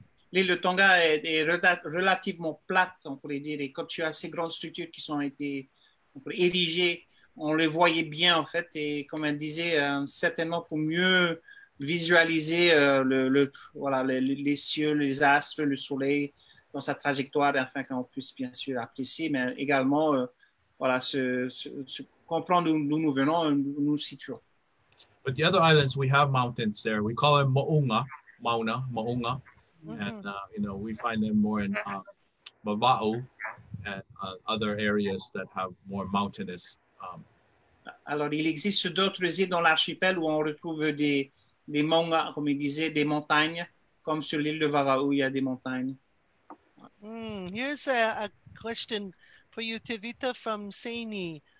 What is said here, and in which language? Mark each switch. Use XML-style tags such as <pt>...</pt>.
<fr>L'île de Tonga est relativement plate, on pourrait dire, et quand tu as ces grandes structures qui ont été érigées, on les voyait bien, en fait, et comme elle disait, certainement pour mieux... visualiser les cieux, les astres, le soleil dans sa trajectoire afin qu'on puisse bien sûr apprécier, mais également se comprendre d'où nous venons, où nous nous situons.</fr> <en>But the other islands, we have mountains there. We call them Mauna. Mm-hmm. And, we find them more in Mavau and other areas that have more mountainous.</en> <fr>Alors, il existe d'autres îles dans l'archipel où on retrouve des Mauna, comme il disait, des montagnes, comme sur l'île de Vava, où il y a des montagnes.</fr> <en>Here's a question for you, Tevita, from Saini.</en>